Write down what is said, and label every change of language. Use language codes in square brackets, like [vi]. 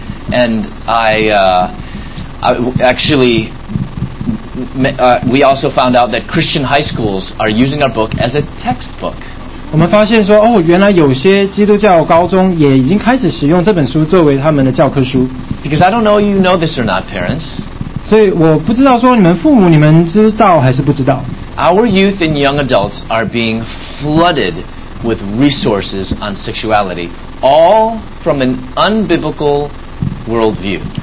[en] And we also found out that Christian high schools are using our book as a textbook. [zh] 我们发现说，哦，原来有些基督教高中也已经开始使用这本书作为他们的教科书。 [en] Because I don't know you know this or not, parents. [zh] 所以我不知道说你们父母你们知道还是不知道。 [en] Our youth and young adults are being flooded with resources on sexuality, all from an unbiblical worldview.